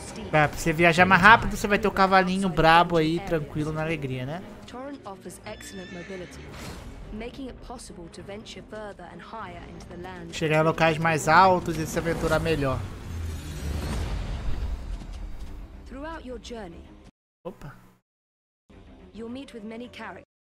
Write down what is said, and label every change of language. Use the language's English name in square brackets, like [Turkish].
[Portuguese] Pra você viajar mais rápido, você vai ter o cavalinho brabo aí, tranquilo, na alegria, né? [English] Torrent offers excellent mobility, making it possible to venture further and higher into the land. [Portuguese] Chegar a locais mais altos e se aventurar melhor. [English] Throughout your journey, opa, you'll meet with many characters.